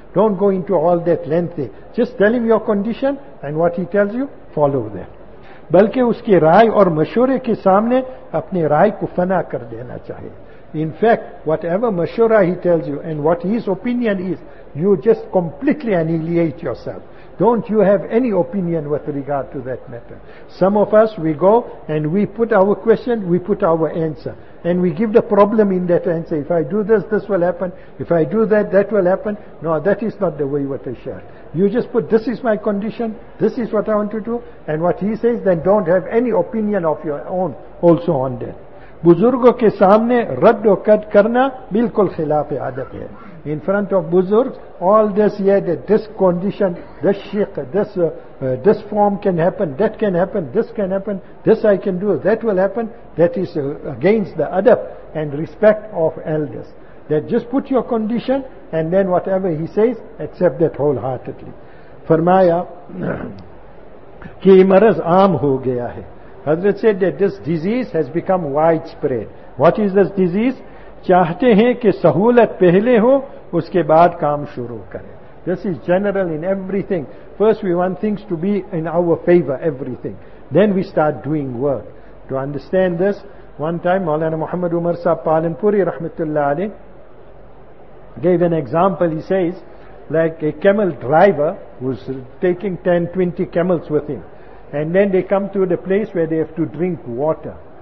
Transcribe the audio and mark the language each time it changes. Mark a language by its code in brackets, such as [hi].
[en] Don't go into all that lengthy, just tell him your condition and what he tells you, follow that. [ur] بلکہ اس کی رائے اور مشورے کے سامنے اپنی رائے کو فنا کر دینا چاہے. [en] In fact, whatever مشورہ he tells you and what his opinion is, you just completely annihilate yourself. Don't you have any opinion with regard to that matter. Some of us, we go and we put our question, we put our answer, and we give the problem in that answer. If I do this, this will happen. If I do that, that will happen. No, that is not the way with the Shah. You just put, this is my condition, this is what I want to do, and what he says, then don't have any opinion of your own also on that. [ur] بزرگوں کے سامنے رد و قد کرنا بالکل خلاف عادت ہے. [en] In front of بزرگ, all this, yeah, that this condition, this shiq, this this form can happen, that can happen, this can happen, this I can do, that will happen, that is against the adab and respect of elders. That just put your condition and then whatever he says, accept that wholeheartedly. [ur] فرمایا کہ یہ مرض عام ہو گیا ہے. [en] حضرت said that this disease has become widespread. What is this disease? [ur] چاہتے ہیں کہ سہولت پہلے ہو, اس کے بعد کام شروع کریں. [en] This is general in everything. First we want things to be in our favor, everything. Then we start doing work. To understand this, one time مولانا محمد عمر صاحب پالنپوری رحمت اللہ علیہ gave an example. He says, like a camel driver who's taking 10-20 camels with him, and then they come to the place where they have to drink water.